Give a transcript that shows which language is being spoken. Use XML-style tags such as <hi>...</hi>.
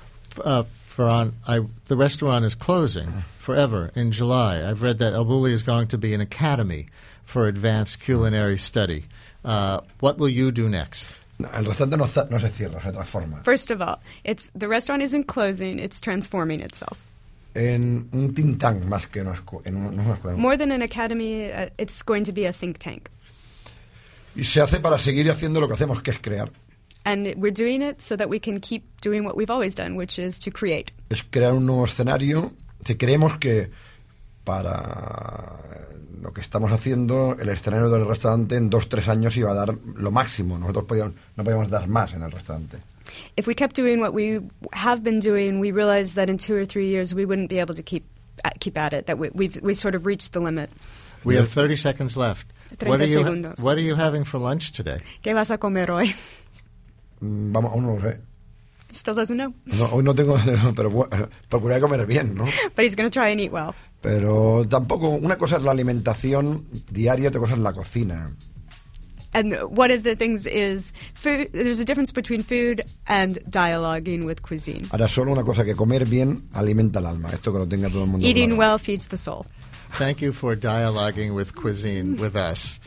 <en>Ferran, the restaurant is closing forever in July. I've read that El Bulli is going to be an academy for advanced culinary study. What will you do next?</en> <es>El restaurante no se cierra, se transforma.</es> <en>First of all, the restaurant isn't closing, it's transforming itself.</en> <es>En un think tank más que una escuela.</es> <en>More than an academy, it's going to be a think tank.</en> <es>Y se hace para seguir haciendo lo que hacemos, que es crear.</es> <en>And we're doing it so that we can keep doing what we've always done, which is to create.</en> <es>Es crear un nuevo escenario. Creemos que para lo que estamos haciendo, el escenario del restaurante en 2-3 años iba a dar lo máximo. Nosotros no podíamos dar más en el restaurante.</es> <en>If we kept doing what we have been doing, we realized that in 2 or 3 years we wouldn't be able to keep at it, that we've sort of reached the limit. We have 30 seconds left. 30 what are you</en> <es>segundos.</es> <en>What are you having for lunch today?</en> <es>¿Qué vas a comer hoy? Vamos, aún no lo sé.</es> <en>Still doesn't know.</en> <es>No, hoy no tengo, pero procuré comer bien, ¿no?</es> <en>But he's going to try and eat well.</en> <es>Pero tampoco, una cosa es la alimentación diaria, otra cosa es la cocina.</es> <en>And one of the things is food. There's a difference between food and dialoguing with cuisine.</en> <es>Ahora solo una cosa, que comer bien alimenta el alma. Esto que lo tenga todo el mundo.</es> <en>Eating well feeds the soul. Thank you for dialoguing with cuisine with us.</en>